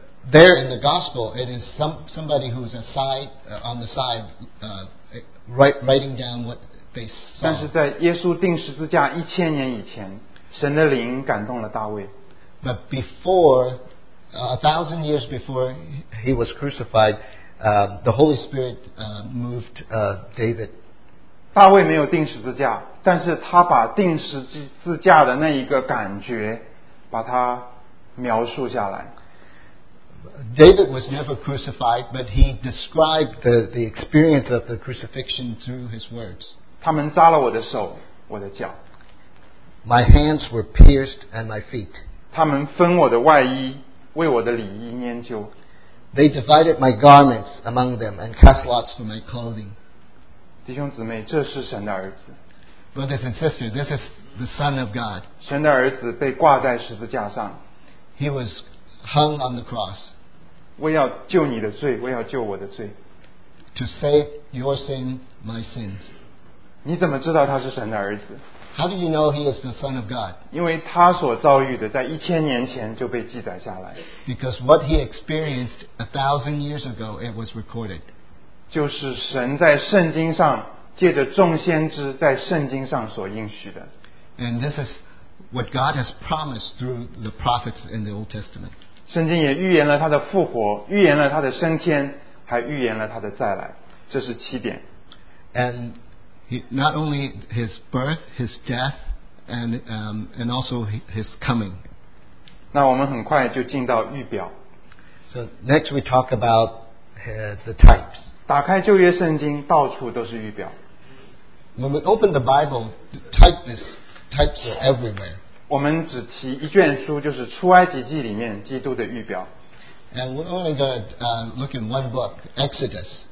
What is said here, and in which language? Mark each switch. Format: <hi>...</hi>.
<en>There in the gospel, it is somebody who is on the side, writing down what they saw.</en> <zh>但是在耶稣钉十字架一千年以前，神的灵感动了大卫。</zh> <en>But before, a thousand years before he was crucified, the Holy Spirit moved David.</en> <zh>大卫没有钉十字架，但是他把钉十字架的那一个感觉，把它描述下来。</zh> <en>David was never crucified, but he described the experience of the crucifixion through his words.</en> <zh>他们扎了我的手，我的脚。</zh> <en>My hands were pierced and my feet.</en> <zh>他们分我的外衣，为我的里衣研究。</zh> <en>They divided my garments among them and cast lots for my clothing.</en> <zh>弟兄姊妹，这是神的儿子。</zh> <en>Brothers and sisters, this is the Son of God.</en> <zh>神的儿子被挂在十字架上。</zh> <en>He was hung on the cross.</en> <zh>为要救你的罪，为要救我的罪。</zh> <en>To save your sin, my sins.</en> <zh>你怎么知道他是神的儿子？</zh> <en>How do you know he is the Son of God?</en> <zh>因为他所遭遇的在一千年前就被记载下来。</zh> <en>Because what he experienced a thousand years ago, it was recorded.</en> <zh>就是神在圣经上，借着众先知在圣经上所应许的。</zh> <en>And this is what God has promised through the prophets in the Old Testament.</en> <zh>圣经也预言了他的复活，预言了他的升天，还预言了他的再来。这是七点。</zh> <en>And not only his birth, his death, and also his coming.</en> <zh>那我们很快就进到预表。</zh> <en>So next we talk about the types.</en> <zh>打开旧约圣经，到处都是预表。</zh> <en>When we open the Bible, the types are everywhere.</en> <zh>我们只提一卷书，就是出埃及记里面基督的预表。</zh> <en>And we're only gonna look in one book, Exodus.</en>